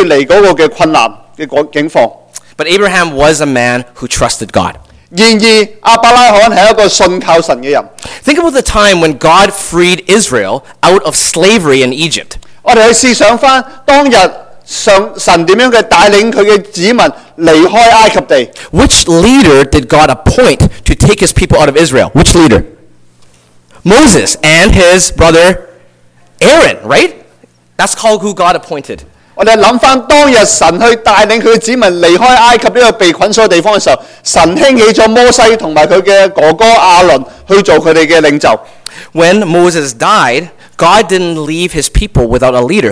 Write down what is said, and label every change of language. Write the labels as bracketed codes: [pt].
[zh] 我們看見其實領袖並不是一個完全無瑕疵的一個人，我們甚至可以想起亞伯拉罕的一生裡面，他兩次講大話，為的就是要幫自己去脫離那個困難的境況。 [en] But Abraham was a man who trusted God. [zh] 然而亞伯拉罕是一個信靠神的人。 [en] Think about the time when God freed Israel out of slavery in Egypt. [zh] 我們去思想當日神怎樣帶領他的子民離開埃及地。 [en] Which leader did God appoint to take his people out of Israel? Which leader? Moses and his brother Aaron, right? That's called who God appointed. [zh] 我們想回當日神去帶領他的子民離開埃及這個被困所的地方的時候，神興起了摩西和他的哥哥亞倫去做他們的領袖。 [en] When Moses died, God didn't leave his people without a leader.